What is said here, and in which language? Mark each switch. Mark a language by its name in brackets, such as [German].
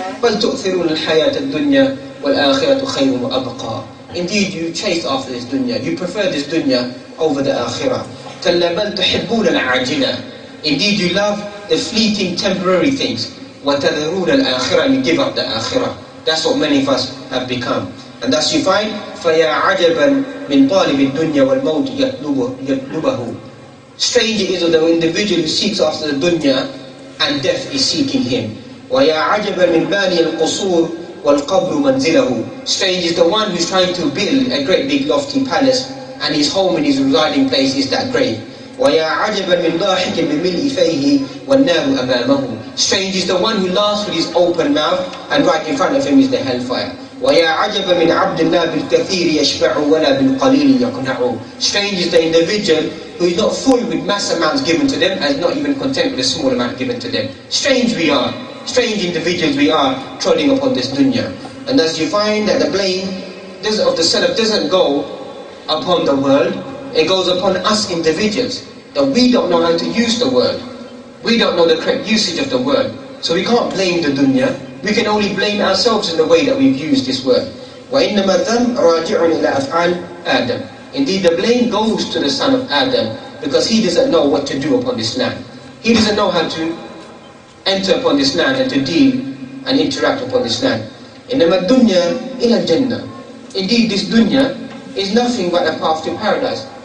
[Arabic] بَلْ تُؤْثِرُونَ الْحَيَاةَ الدُّنْيَا وَالْآخِرَةُ خَيْرٌ وَأَبْقَى. [English] Indeed, you chase after this dunya, you prefer this dunya over the akhirah. [Arabic] كَلَّا بَلْ تُحِبُّونَ الْعَاجِلَةَ. [English] Indeed, you love the fleeting temporary things. [Arabic] وَتَذَرُونَ الْآخِرَةَ, [English] you give up the akhirah. That's what many of us have become. And thus you find, [Arabic] فَيَا عَجَبًا مِنْ طَالِبِ الدُّنْيَا وَالْمَوْتِ يَطْلُبَهُ. [English] Strange it is of the individual who seeks after the dunya and death is seeking him. [Arabic] وَيَا عَجَبًا مِنْ بَانِيَ الْقُصُورِ وَالْقَبْرُ مَنْزِلَهُ. [English] Strange is the one who's trying to build a great big lofty palace and his home and his residing place is that grave. [Arabic] وَيَا عَجَبًا مِنْ ضَاحِكٍ بِمِلْءِ فَيْهِ وَالنَّارُ أَمَامَهُ. [English] Strange is the one who laughs with his open mouth and right in front of him is the hellfire. [Arabic] وَيَا عَجَبًا مِنْ عَبْدٍ لَا بِالْكَثِيرِ يَشْبَعُ وَلَا بِالْقَلِيلِ يَقْنَعُ. [English] Strange is the individual who is not full with mass amounts given to them and is not even content with a small amount given to them. Strange we are. Strange individuals we are trodding upon this dunya. And thus you find that the blame of the Salaf doesn't go upon the world, it goes upon us individuals. That we don't know how to use the world. We don't know the correct usage of the world. So we can't blame the dunya. We can only blame ourselves in the way that we've used this word. [Arabic] وَإِنَّمَا ذَمْ رَاجِعٌ إِلَىٰ أَفْعَالِ Adam. [English] Indeed, the blame goes to the son of Adam because he doesn't know what to do upon this land. He doesn't know how to enter upon this land and to deal and interact upon this land. [Arabic] إِنَّمَا الدُّنْيَا إِلَىٰ الْجَنَّةِ. [English] Indeed, this dunya is nothing but a path to paradise.